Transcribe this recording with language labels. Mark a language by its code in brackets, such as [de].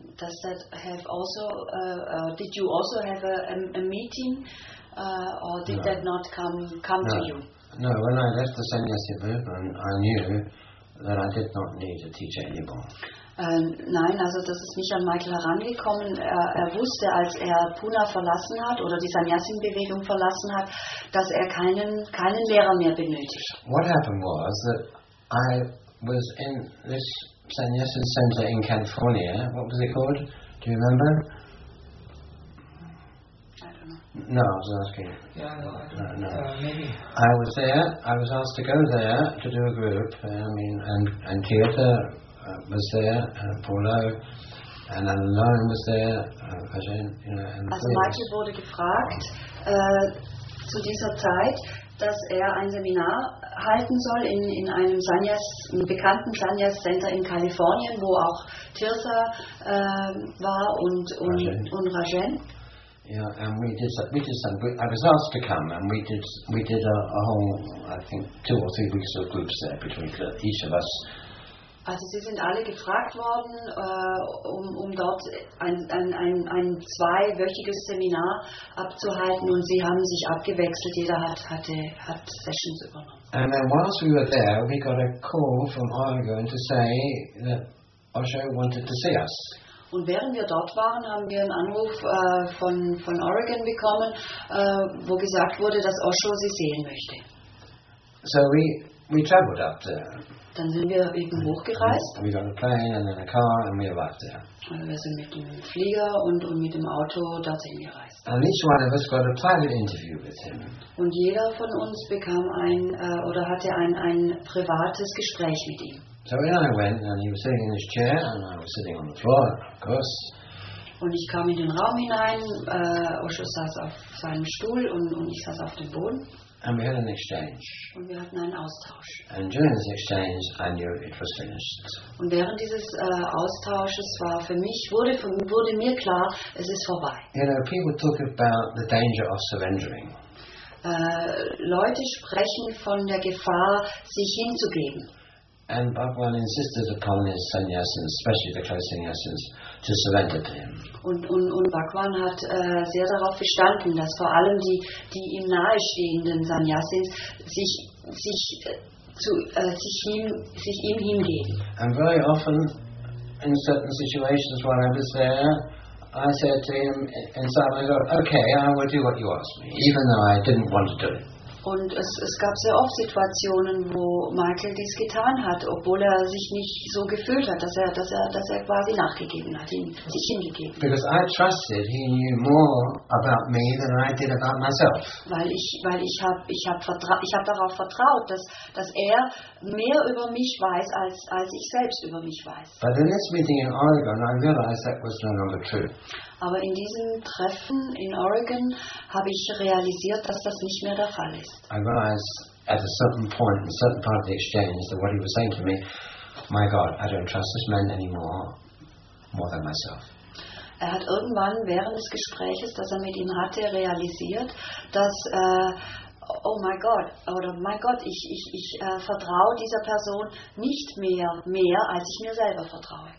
[en] does that have also did you also have a meeting or did that not come to you? No, when I left the sannyasi movement, I knew that I did not need a teacher anymore. [de] Nein, also das ist nicht an Michael herangekommen. Er wusste, als er Pune verlassen hat oder die Sannyasin-Bewegung verlassen hat, dass er keinen Lehrer mehr benötigt. [en] What happened was that I was in this Sannyasin center in California. What was it called? Do you remember? No, I was asking. Yeah, no, I was there. I was asked to go there to do a group. And Kyoto was there, Paulo, and Alain was there. [de] Also Michael wurde gefragt zu dieser Zeit, dass er ein Seminar halten soll in einem bekannten Sanyas Center in Kalifornien, wo auch Tirtha war und Rajen. [en] Yeah, and we did some. I was asked to come, and we did a whole, I think, two or three weeks of groups there between each of us. [de] Also, Sie sind alle gefragt worden, um dort ein zweiwöchiges Seminar abzuhalten, und Sie haben sich abgewechselt. Jeder hat Sessions übernommen. [en] And then, whilst we were there, we got a call from Oregon to say that Osho wanted to see us. [de] Und während wir dort waren, haben wir einen Anruf von Oregon bekommen, wo gesagt wurde, dass Osho sie sehen möchte. [en] So we traveled up there. [de] Dann sind wir eben hochgereist. [en] We got a plane and then a car and we arrived there. [de] Also wir sind mit dem Flieger und mit dem Auto dorthin gereist. [en] And each one of us got a private interview with him. [de] Und jeder von uns bekam hatte ein privates Gespräch mit ihm. [en] So in I went, and he was sitting in his chair, and I was sitting on the floor, of course. [de] Und ich kam in den Raum hinein. Osho saß auf seinem Stuhl, und ich saß auf dem Boden. [en] And we had an exchange. [de] Und wir hatten einen Austausch. [en] And during this exchange, I knew it was finished. [de] Und während dieses Austausches wurde mir klar, es ist vorbei. [en] You know, people talk about the danger of surrendering. [de] Leute sprechen von der Gefahr, sich hinzugeben. [en] And Bhagwan insisted upon his sannyasins, especially the close sannyasins, to surrender to him. [de] Und Bhagwan hat sehr darauf bestanden, dass vor allem die ihm nahestehenden sannyasins sich ihm hingeben. [en] And very often, in certain situations while I was there, I said to him inside, I go, okay, I will do what you ask me, even though I didn't want to do it. [de] Und es gab sehr oft Situationen, wo Michael dies getan hat, obwohl er sich nicht so gefühlt hat, dass er quasi nachgegeben hat, sich hingegeben. [en] Because I trusted he knew more about me than I did about myself. [de] Weil ich habe darauf vertraut, dass er mehr über mich weiß als ich selbst über mich weiß. [en] But in this meeting in Oregon, I realized that was no longer true. [de] Aber in diesem Treffen in Oregon habe ich realisiert, dass das nicht mehr der Fall ist. [en] I realized at a certain point, in a certain part of the exchange, that what he was saying to me, my God, I don't trust this man anymore, more than myself. [de] Er hat irgendwann während des Gespräches, das er mit ihm hatte, realisiert, dass, [en] oh my God, [de] oder [en] my God, [de] ich vertraue dieser Person nicht mehr als ich mir selber vertraue.